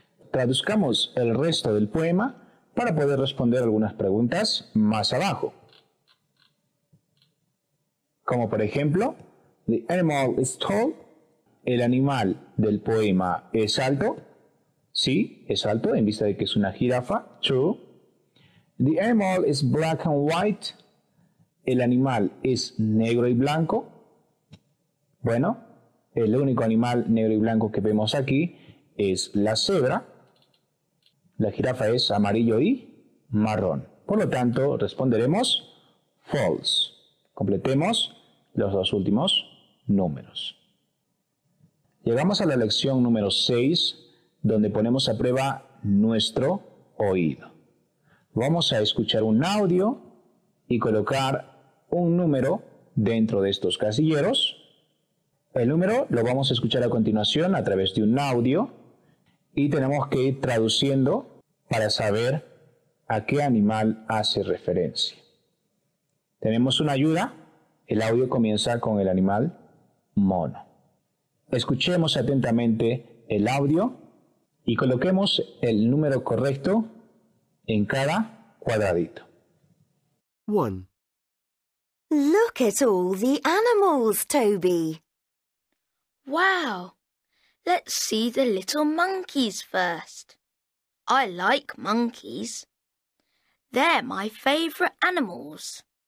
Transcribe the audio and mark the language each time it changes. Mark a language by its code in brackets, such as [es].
[es] Traduzcamos el resto del poema para poder responder algunas preguntas más abajo. Como por ejemplo, [en] the animal is tall. [es] El animal del poema es alto. Sí, es alto en vista de que es una jirafa. [en] True. The animal is black and white. [es] El animal es negro y blanco. Bueno, el único animal negro y blanco que vemos aquí es la cebra. La jirafa es amarillo y marrón. Por lo tanto, responderemos false. Completemos los dos últimos números. Llegamos a la lección número 6, donde ponemos a prueba nuestro oído. Vamos a escuchar un audio y colocar un número dentro de estos casilleros. El número lo vamos a escuchar a continuación a través de un audio y tenemos que ir traduciendo para saber a qué animal hace referencia. Tenemos una ayuda. El audio comienza con el animal mono. Escuchemos atentamente el audio y coloquemos el número correcto en cada cuadradito. [en] 1. Look at all the animals, Toby. Wow, let's see the little monkeys first. I like monkeys. They're my favorite animals.